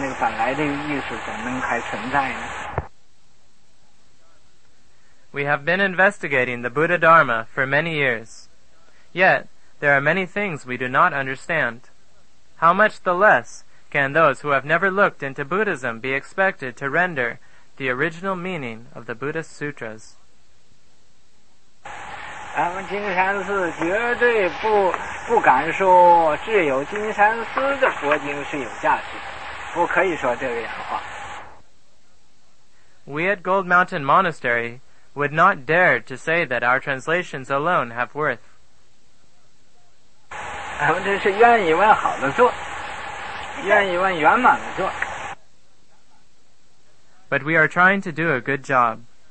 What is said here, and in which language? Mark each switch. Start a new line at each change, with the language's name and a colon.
Chinese: 那个，俺们研究这么多年的佛法，还有啊很多地方不明白。那么况且你根本就没有研究过翻译出来的这个佛经，怎么可以和那个本来的意思还存在呢？他那个本来的意思怎么能还存在呢？
English: We have been investigating the Buddha Dharma for many years. Yet, there are many things we do not understand. How much the less can those who have never looked into Buddhism be expected to render the original meaning of the Buddhist sutras?
Chinese: 咱们金山寺绝对不敢说只有金山寺的佛经是有价值，不可以说这样话。
English: We at Gold Mountain Monastery would not dare to say that our translations alone have worth.
Chinese: 咱们这是愿意问好的做，愿意问圆满的做。
English: But we are trying to do a good job.